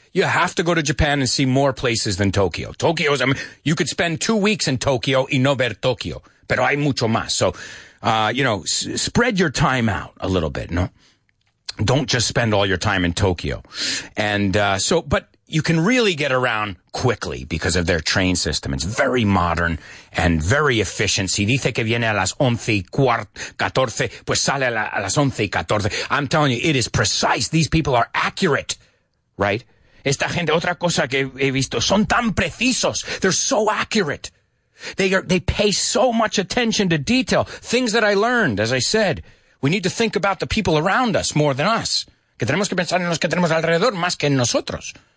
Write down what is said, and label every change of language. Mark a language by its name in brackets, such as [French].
[English] You have to go to Japan and see more places than Tokyo. Tokyo is, I mean, you could spend 2 weeks in Tokyo [Spanish] y no ver Tokyo. Pero hay mucho más. [English] So, you know, spread your time out a little bit, no? Don't just spend all your time in Tokyo. And but you can really get around quickly because of their train system. It's very modern and very efficient. [Spanish] Si dice que viene a las 11:14, pues sale a las 11:14. [English] I'm telling you, it is precise. These people are accurate, right? [Spanish] Esta gente, otra cosa que he visto, son tan precisos. [English] They're so accurate. They pay so much attention to detail. Things that I learned, as I said, we need to think about the people around us more than us. [Spanish] Que tenemos que pensar en los que tenemos alrededor más que en nosotros.